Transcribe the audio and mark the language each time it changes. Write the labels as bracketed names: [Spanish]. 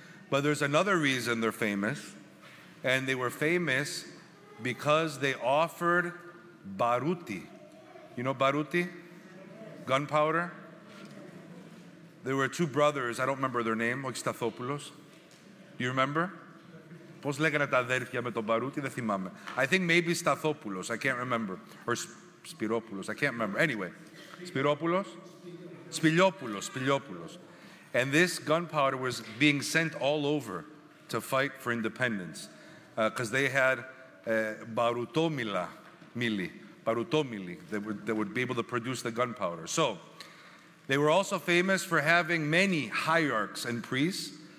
[English] But there's another reason they're famous, and they were famous because they offered baruti. You know baruti? Gunpowder? There were two brothers, I don't remember their name, Oxtathopoulos. Do you remember? [Greek] Πώς λέγανε τα αδέρφια με τον Μπαρούτι, δεν θυμάμαι. [English] I think maybe Σταθόπουλος, I can't remember. Or Σπυρόπουλος, I can't remember. Anyway, Σπυρόπουλος? [Greek] Σπυλιόπουλος, Σπυλιόπουλος. [English] And this gunpowder was being sent all over to fight for independence because they had Μπαρουτόμιλα, μίλι, Μπαρουτόμιλι, that would be able to produce the gunpowder. So, they were also famous for having many hierarchs and priests.